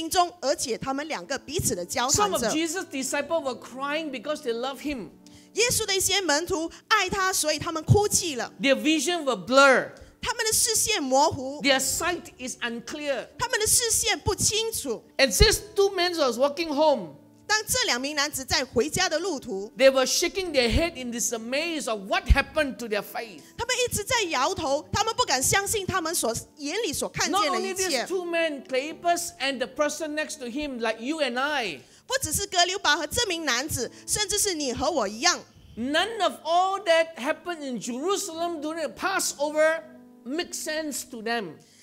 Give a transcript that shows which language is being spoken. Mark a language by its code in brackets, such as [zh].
[zh] 当他们回家的路途的时候，那种的怀疑还有混乱充满在他们的心中，而且他们两个彼此的交谈着。 [en] Some of Jesus' disciples were crying because they loved him. [zh] 耶稣的一些门徒爱他，所以他们哭泣了。 [en] Their vision were blurred. [zh] 他们的视线模糊, [en] their sight is unclear. [zh] 他们的视线不清楚。 [en] And since two men were walking home, [zh] 当这两名男子在回家的路途, [en] they were shaking their head in dismay of what happened to their faith. [zh] 他们一直在摇头, 他们不敢相信他们眼里所看见的一切。 [en] Not only these two men, Cleopas and the person next to him, like you and I, [zh] 不只是哥留巴和这名男子, 甚至是你和我一样。 [en] None of all that happened in Jerusalem during the Passover makes sense to them.